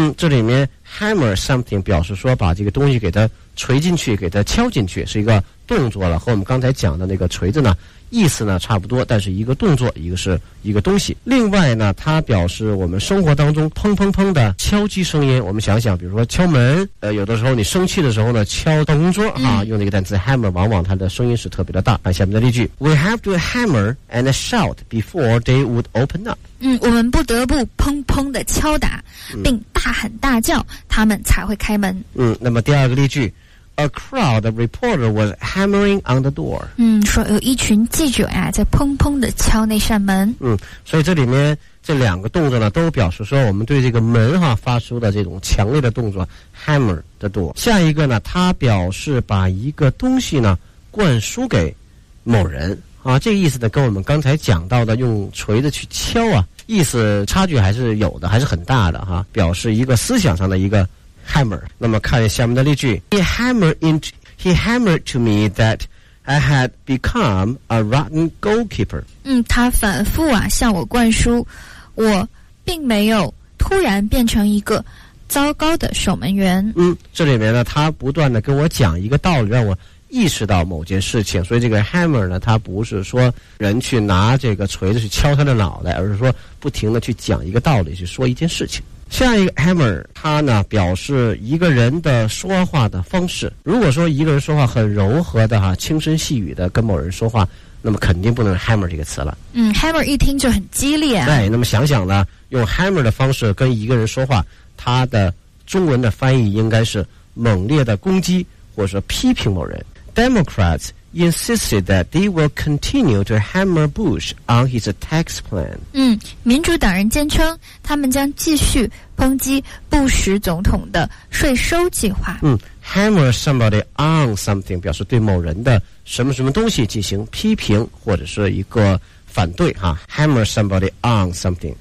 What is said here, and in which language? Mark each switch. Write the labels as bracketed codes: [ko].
[zh] 这里面 hammer something 表示说把这个东西给它锤进去，给它敲进去，是一个动作了，和我们刚才讲的那个锤子呢意思呢差不多，但是一个动作，一个是一个东西。另外呢，它表示我们生活当中砰砰砰的敲击声音。我们想想，比如说敲门，有的时候你生气的时候呢敲办公桌啊，用那个单词 hammer， 往往它的声音是特别的大。看下面的例句 ， [en] We have to hammer and shout before they would open up。 [zh] 我们不得不砰砰的敲打，并大喊大叫，他们才会开门。那么第二个例句。 [en] A crowd of reporter was hammering on the door. [zh] 说有一群记者呀，在砰砰地敲那扇门。所以这里面这两个动作呢，都表示说我们对这个门哈发出的这种强烈的动作 ，hammer the door。下一个呢，它表示把一个东西呢灌输给某人啊，这个意思呢，跟我们刚才讲到的用锤子去敲啊，意思差距还是有的，还是很大的哈，表示一个思想上的一个。 Hammer. 那么看下面的例句 [en] He hammered to me that I had become a rotten goalkeeper. [zh] 他反复啊向我灌输，我并没有突然变成一个糟糕的守门员。这里面呢，他不断的跟我讲一个道理，让我意识到某件事情。所以这个 hammer 呢，它不是说人去拿这个锤子去敲他的脑袋，而是说不停的去讲一个道理，去说一件事情。下一个 hammer， 它呢表示一个人的说话的方式。如果说一个人说话很柔和的哈，轻声细语的跟某人说话，那么肯定不能 hammer 这个词了。 hammer 一听就很激烈。对，那么想想呢，用 hammer 的方式跟一个人说话，它的中文的翻译应该是猛烈的攻击或者说批评某人。 [en] Democrats insisted that they will continue to hammer Bush on his tax plan. [zh] 民主党人坚称他们将继续抨击布什总统的税收计划。 [en] Hammer somebody on something [zh] 表示对某人的什么什么东西进行批评或者是一个反对哈。 [en] Hammer somebody on something。